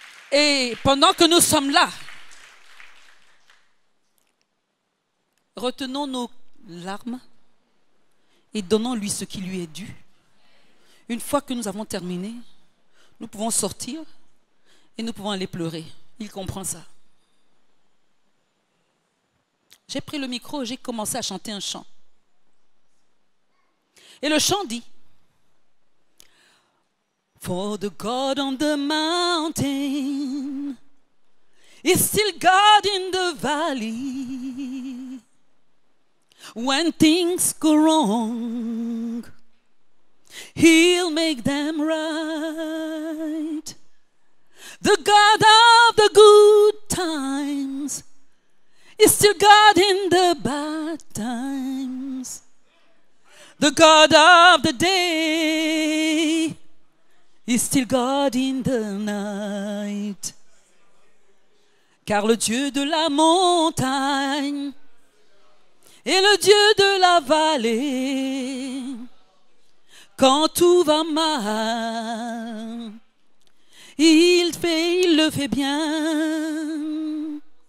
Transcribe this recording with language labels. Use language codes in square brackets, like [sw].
[fr] Et pendant que nous sommes là, retenons nos larmes et donnons-lui ce qui lui est dû. Une fois que nous avons terminé, nous pouvons sortir et nous pouvons aller pleurer. Il comprend ça. J'ai pris le micro et j'ai commencé à chanter un chant. Et le chant dit: [en] For the God on the mountain is still God in the valley. When things go wrong, He'll make them right. The God of the good times is still God in the bad times. The God of the day is still God in the night. [fr] Car le Dieu de la montagne est le Dieu de la vallée. Quand tout va mal, il le fait bien.